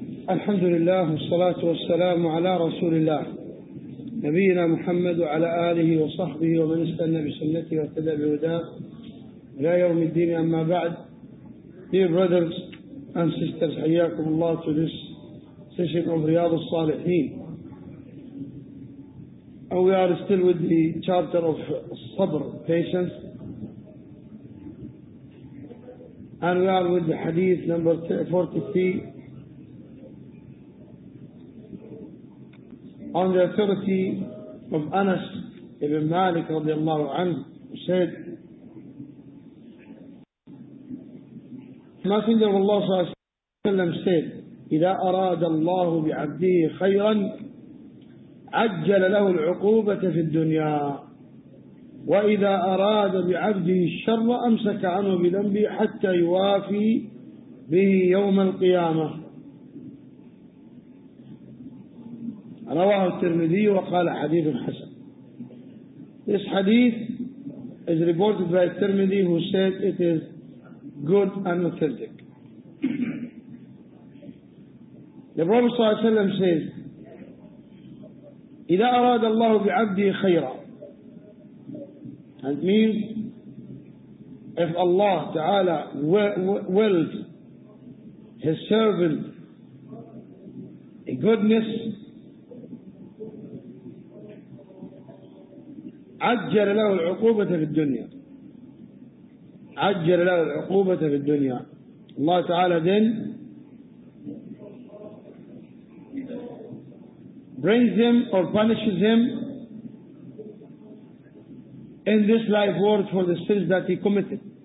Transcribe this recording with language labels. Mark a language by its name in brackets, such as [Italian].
[Arabic] الحمد لله والصلاة والسلام على رسول الله نبينا محمد وعلى آله وصحبه ومن استنى بسنته واهتدى بهداه إلى يوم الدين. أما بعد, [English] dear brothers and sisters, [Arabic] حياكم الله [English] to this session of رياض الصالحين. And we are still with the chapter of صبر, patience. And we are with the hadith number 43 on the authority of Anas ibn Malik radiallahu anhu, who said, Messenger of Allah sallallahu alayhi wa sallam said, [Arabic] إِذَا أَرَادَ اللَّهُ بِعَبْدِهِ خَيْرًا عَجَّلَ لَهُ الْعُقُوبَةَ فِي الدُّنْيَا وَإِذَا أَرَادَ بِعَبْدِهِ الشَّرَّ أَمْسَكَ عَنْهُ بِذَنْبِهِ حَتَّى يُوَافِي بِهِ يَوْمَ الْقِيَامَةِ. رواه الترمذي وقال حديث حسن. [English] This hadith is reported by Tirmidhi, who said it is good and authentic. The Prophet صلى الله عليه وسلم says, [Arabic] إذا أراد الله بعبده خيرا, [English] and it means if Allah تعالى wills His servant a goodness, [Arabic] عجل له العقوبة في الدنيا. عجل له العقوبة في الدنيا. [English] الله تعالى then brings him or punishes him in this life world for the sins that he committed.